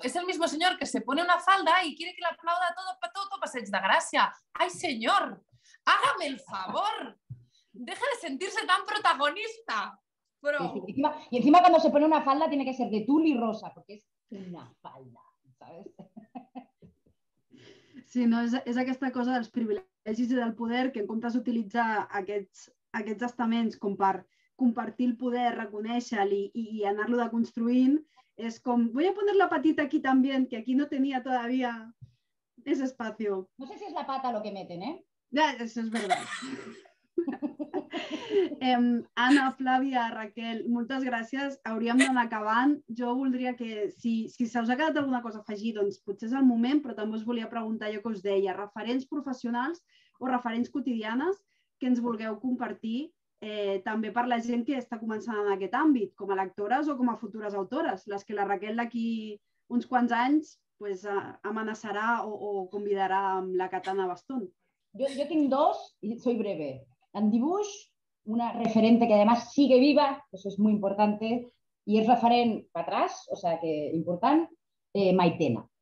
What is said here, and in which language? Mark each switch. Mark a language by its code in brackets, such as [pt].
[es] Es el mismo señor que se pone una falda y quiere que le aplauda todo para todo Passeig de Gràcia. Ay, señor, hágame el favor. Deja de sentirse tan protagonista. Pero... y encima cuando se pone una falda tiene que ser de tul y rosa, porque es una falda, ¿sabes? [ca] Sí, no, és aquesta cosa dels privilegis i del poder, que en comptes d'utilitzar aquests estaments com per compartir el poder, reconèixer-lo i anar-lo deconstruint, és com, [es] voy a poner la patita aquí també, que aquí no tenia todavía ese espacio. No sé si és la pata lo que meten, ¿eh? Ja, eso es verdad. [ca] Anna, Flàvia, Raquel, moltes gràcies. Hauríem d'anar acabant. Jo voldria que, si se us ha quedat alguna cosa a afegir, doncs potser és el moment, però també us volia preguntar jo què us deia. Referents professionals o referents quotidianes que ens vulgueu compartir també per la gent que està començant en aquest àmbit, com a lectores o com a futures autores, les que la Raquel d'aquí uns quants anys pues, amenaçarà o convidarà amb la Katana Baston. Jo tinc dos i [es] soy breve. En dibuix, una referente que además sigue viva, eso es muy importante, y es referent para atrás, o sea que important, Maitena.